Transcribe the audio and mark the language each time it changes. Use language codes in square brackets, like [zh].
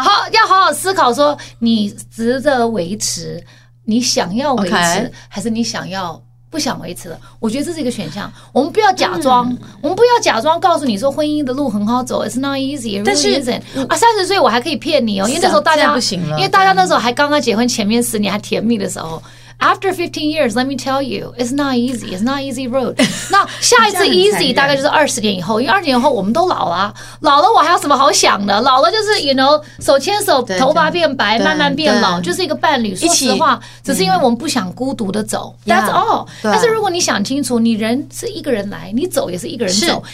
[zh] 好要好好思考，说你值得维持，你想要维持， [en] okay. [zh] 还是你想要？不想维持了，我觉得这是一个选项。我们不要假装，我们不要假装告诉你说婚姻的路很好走 ， [en] It's not easy， [zh] 但是 [en] really isn't 啊。 [zh] 30岁我还可以骗你哦，因为那时候大家不行了，因为大家那时候还刚刚结婚，前面10年还甜蜜的时候。 [en] After 15 years, let me tell you, it's not easy. It's not easy road. [zh] 那下一次 easy 大概就是20年以后，因为20年以后我们都老了，老了我还有什么好想的？老了就是 you know 手牵手，头发变白，慢慢变老，就是一个伴侣。说实话，只是因为我们不想孤独的走。 [en] That's all. [zh] 但是如果你想清楚，你人是一个人来，你走也是一个人走。